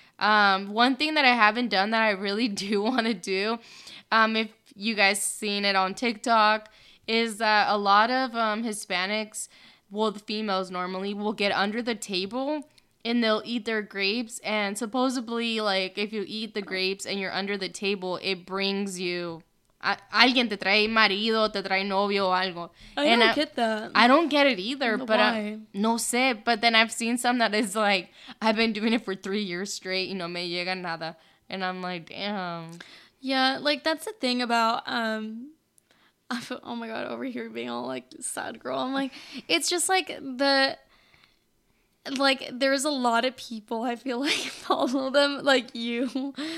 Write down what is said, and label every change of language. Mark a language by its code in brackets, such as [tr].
[en] One thing that I haven't done that I really do wanna do, if you guys seen it on TikTok, is that a lot of Hispanics, well, the females normally, will get under the table and they'll eat their grapes. And supposedly, like, if you eat the grapes and you're under the table, it brings you... [es] Alguien te trae marido, te trae novio o algo. [en] I don't get that. I don't get it either. [es] No sé. [en] But then I've seen some that is like, I've been doing it for 3 years straight, you know, [es] me llega nada. [en] And I'm like, damn. Yeah, like, that's the thing about... Oh my God, over here being all like sad girl. I'm like, it's just like there's a lot of people I feel like follow them, like you.